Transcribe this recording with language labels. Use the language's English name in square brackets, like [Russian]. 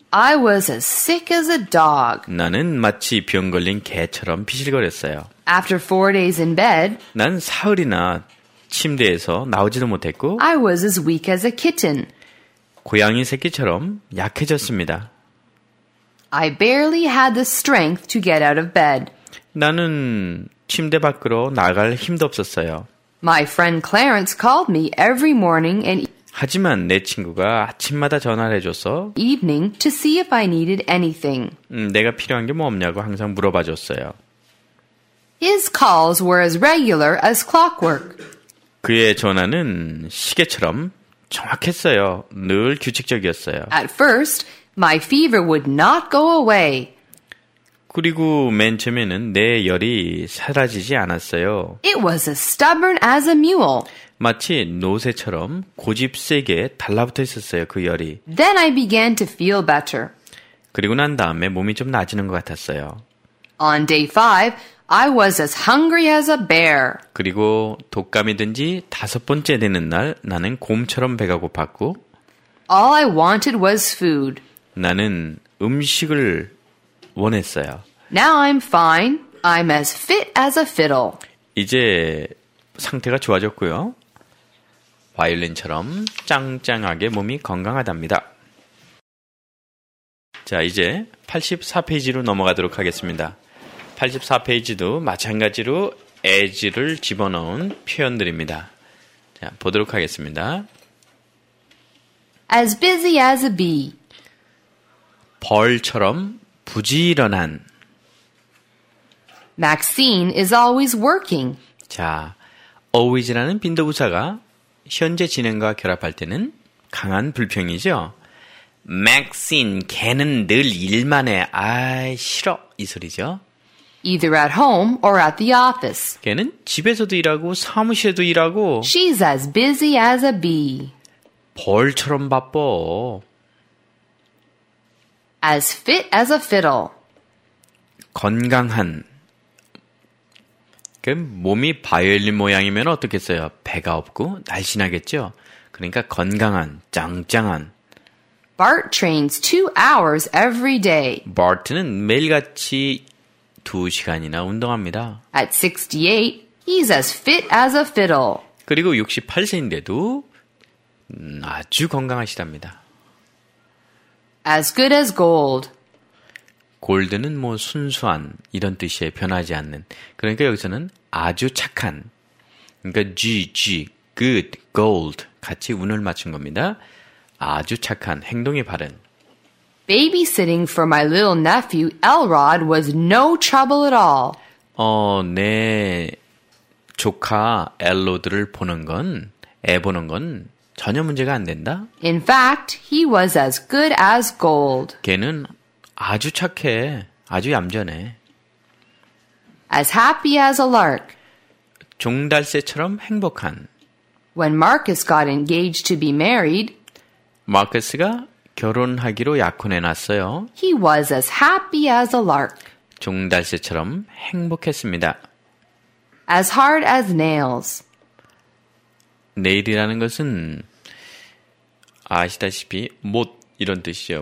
[English] I was as sick as a dog. [Korean] 나는 마치 병 걸린 개처럼 피실거렸어요. [English] After 4 days in bed. [Korean] 난 사흘이나 침대에서 나오지도 못했고. [English] I was as weak as a kitten. [Korean] 고양이 새끼처럼 약해졌습니다. [English] I barely had the strength to get out of bed. [Korean] 나는 침대 밖으로 나갈 힘도 없었어요. [English] My friend Clarence called me every morning and [Korean] 하지만 내 친구가 아침마다 전화를 해줘서 [English] evening to see if I needed anything. [Korean] 내가 필요한 게 뭐 없냐고 항상 물어봐줬어요. [English] His calls were as regular as clockwork. [Korean] 그의 전화는 시계처럼 정확했어요. 늘 규칙적이었어요. [English] At first, my fever would not go away. [Korean] 그리고 맨 처음에는 내 열이 사라지지 않았어요. [English] It was as stubborn as a mule. [Korean] 마치 노새처럼 고집 세게 달라붙어 있었어요, 그 열이. [English] Then I began to feel better. [Korean] 그리고 난 다음에 몸이 좀 나아지는 것 같았어요. [English] On day 5, I was as hungry as a bear. [Korean] 그리고 독감이 든 지 다섯 번째 되는 날 나는 곰처럼 배가 고팠고 [English] All I wanted was food. [Korean] 나는 음식을 원했어요. [English] Now I'm fine. I'm as fit as a fiddle. [Korean] 이제 상태가 좋아졌고요. 바이올린처럼 짱짱하게 몸이 건강하답니다. 자, 이제 84페이지로 넘어가도록 하겠습니다. 84페이지도 마찬가지로 as를 집어넣은 표현들입니다. 자, 보도록 하겠습니다. [English] As busy as a bee. [Korean] 벌처럼 부지런한. [English] Maxine is always working. [Korean] 자, always라는 빈도부사가 현재 진행과 결합할 때는 강한 불평이죠. Maxine, 걔는 늘 일만 해. 아이, 싫어. 이 소리죠. [English] Either at home or at the office. [Korean] 걔는 집에서도 일하고 사무실에도 일하고 [English] She's as busy as a bee. [Korean] 벌처럼 바빠. [English] As fit as a fiddle. [Korean] 건강한. 그 몸이 바이올린 모양이면 어떻겠어요? 배가 없고 날씬하겠죠? 그러니까 건강한, 짱짱한. [English] Bart trains 2 hours every day. [Korean] Bart는 매일같이 2시간이나 운동합니다. [English] At 68, he's as fit as a fiddle. [Korean] 그리고 68세인데도 아주 건강하시답니다. [English] As good as gold. [Korean] 골드는 뭐 순수한 이런 뜻이에요. 변하지 않는. 그러니까 여기서는 아주 착한. 그러니까 G, G, good, gold 같이 운을 맞춘 겁니다. 아주 착한, 행동이 바른. [English] Babysitting for my little nephew Elrod was no trouble at all. [Korean] 내 조카 엘로드를 보는 건, 애 보는 건 전혀 문제가 안 된다. [English] In fact, he was as good as gold. [Korean] 걔는 아주 착해, 아주 얌전해. [English] As happy as a lark. [Korean] 종달새처럼 행복한. [English] When Marcus got engaged to be married. [Korean] 마커스가 결혼하기로 약혼해놨어요. [English] He was as happy as a lark. [Korean] 종달새처럼 행복했습니다. [English] As hard as nails. [Korean] 네일이라는 것은 아시다시피 못 이런 뜻이죠.